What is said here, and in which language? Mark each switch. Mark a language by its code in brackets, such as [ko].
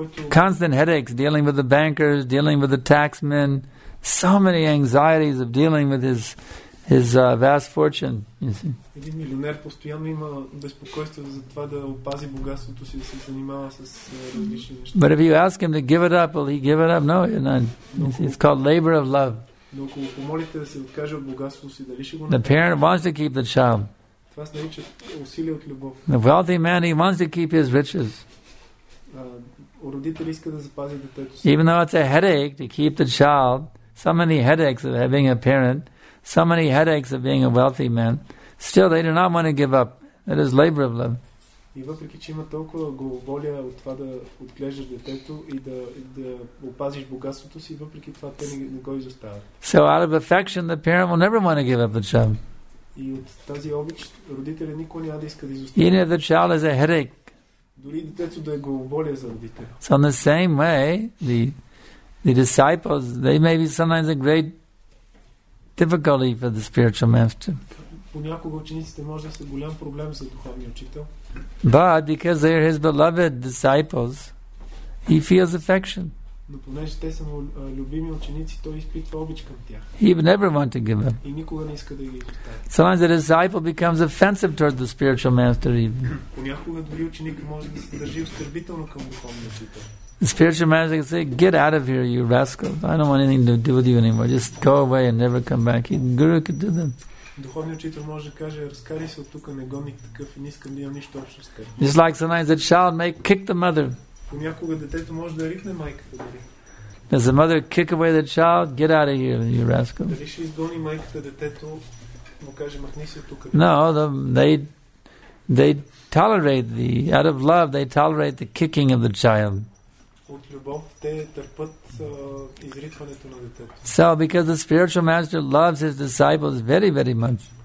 [en] Constant headaches, dealing with the bankers, dealing with the taxmen, so many anxieties of dealing with his vast fortune, you see. [bg] Един милионер постоянно има безпокойство за това да опази богатството си, да се занимава с различни неща. [en] But if you ask him to give it up, will he give it up? No, you're not. You see, it's called labor of love. [bg] Но ако го помолите да се откаже от богатството си, дали ще го... [en] The parent wants to keep the child. [bg] Това се нарича усилие от любов. [en] The wealthy man, he wants to keep his riches. [bg] Родители иска да запази детето си. [en] Even though it's a headache to keep the child, so many headaches of having a parent, so many headaches of being a wealthy man, still they do not want to give up. It is labor of love. [bg] И въпреки че има толкова главоболие от това да отглеждаш детето и да опазиш богатството си, въпреки това те не го изоставят. [en] So out of affection, the parent will never want to give up the child. [bg] И от тази обич, родителя никой няма да иска да изостави. [en] Even if the child has a headache. [bg] Дори детето да е главоболие за родителя. [en] So in the same way, the disciples, they may be sometimes a great difficulty for the spiritual master. [bg] Понякога учениците може да са голям проблем за духовния учител. [en] But because they are his beloved disciples, he feels affection. [bg] Но понеже те са му любими ученици, той изпитва обич към тях. [en] He would never want to give up. [bg] И никога не иска да ги изостави. [en] Sometimes the disciple becomes offensive towards the spiritual master even. [bg] Понякога дори ученик може да се държи оскърбително към духовния учител. [en] The spiritual master can say, get out of here, you rascal. I don't want anything to do with you anymore. Just go away and never come back. The guru could do that. [bg] Духовният учител може да каже, разкари се от тук, негодник такъв, и не искам да имам нищо общо с теб. [en] Just like sometimes a child may kick the mother. [bg] Понякога детето може да рикне майката дори. [en] Does the mother kick away the child? Get out of here, you rascal. [bg] Дали ще изгони майката детето, му каже, махни се от тук. [en] No, they tolerate the, out of love, they tolerate the kicking of the child. [bg] От любов те търпят изритването на детето. [en] So, because the spiritual master loves his disciples very, very much.